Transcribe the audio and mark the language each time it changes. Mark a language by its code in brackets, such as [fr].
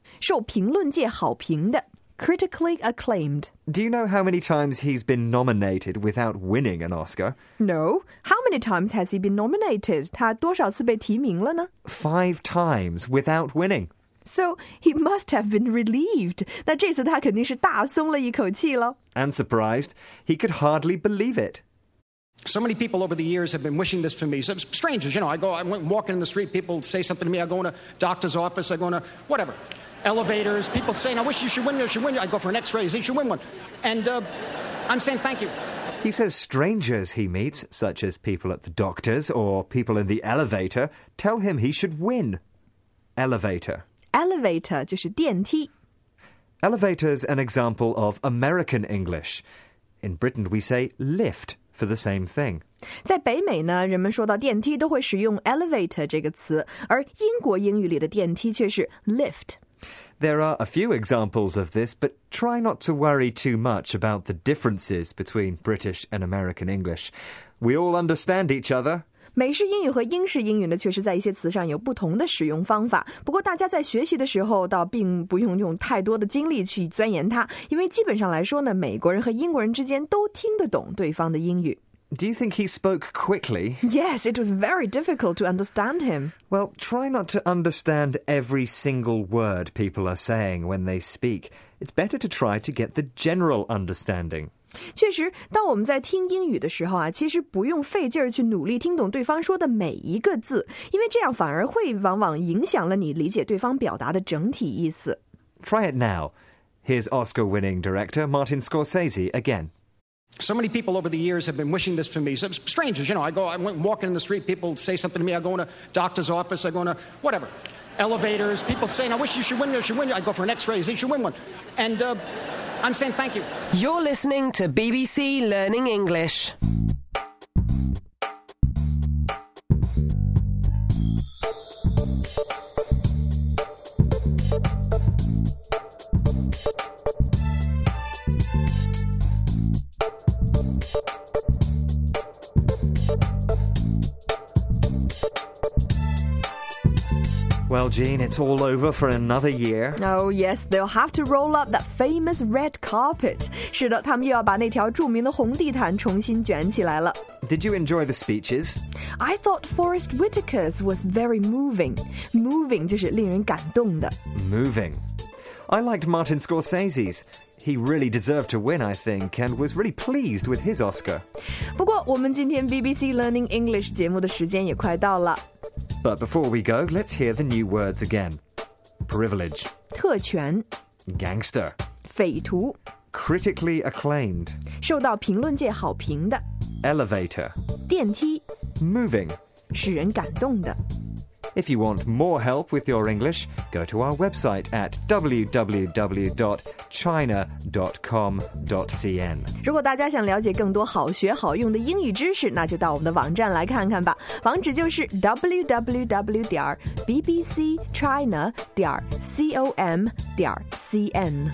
[zh] 受评论界好评的。 [en] Critically acclaimed. Do you know how many times he's been nominated without winning an Oscar? No. How many times has he been nominated? [zh] 他多少次被提名了呢? [en] 5 times without winning. So he must have been relieved. [zh] 那这次他肯定是大松了一口气了。 [en] And surprised, he could hardly believe it. So many people over the years have been wishing this for me. Some strangers, you know, I'm walking in the street, people say something to me. I go in a doctor's office, I go in a whatever, elevators. People say, I wish you should win, you should win. I go for an x-ray, you should win one. And I'm saying thank you. He says strangers he meets, such as people at the doctors or people in the elevator, tell him he should win. Elevator. [zh] Elevator 就是电梯。 [en] Elevator's an example of American English. In Britain, we say lift. For the same thing. [zh] 在北美呢，人们说到电梯都会使用 elevator 这个词，而英国英语里的电梯却是 lift. [en] There are a few examples of this, but try not to worry too much about the differences between British and American English. We all understand each other. [zh] 美式英语和英式英语呢，确实在一些词上有不同的使用方法。不过大家在学习的时候，倒并不用用太多的精力去钻研它，因为基本上来说呢，美国人和英国人之间都听得懂对方的英语。 [en] Do you think he spoke quickly? Yes, it was very difficult to understand him. Well, try not to understand every single word people are saying when they speak. It's better to try to get the general understanding. [zh] 确实，当我们在听英语的时候啊，其实不用费劲儿去努力听懂对方说的每一个字，因为这样反而会往往影响了你理解对方表达的整体意思。 [en] Try it now. Here's Oscar-winning director Martin Scorsese again. So many people over the years have been wishing this for me. Strangers, you know, I went walking in the street, people say something to me, I go in a doctor's office, I go in a whatever, elevators, people saying, I wish you should win, you should win. I go for an x-ray, you should win one. And, I'm saying thank you. You're listening to BBC Learning English. Well, Jean, it's all over for another year. Oh, yes, they'll have to roll up that famous red carpet. [zh] 是的，他们又要把那条著名的红地毯重新卷起来了。 [en] Did you enjoy the speeches? I thought Forrest Whitaker's was very moving. [zh] Moving 就是令人感动的。 [en] Moving. I liked Martin Scorsese's. He really deserved to win, I think, and was really pleased with his Oscar. [zh] 不过我们今天 BBC Learning English 节目的时间也快到了。 [en] But before we go, let's hear the new words again. Privilege. [zh] 特权。 [en] Gangster. [zh] 匪徒。 [en] Critically acclaimed. [zh] 受到评论界好评的。 [en] Elevator. [zh] 电梯。 [en] Moving. [zh] 使人感动的。 [en] If you want more help with your English, go to our website at www.china.com.cn. [zh] 如果大家想了解更多好学好用的英语知识，那就到我们的网站来看看吧。网址就是 www.bbcchina.com.cn.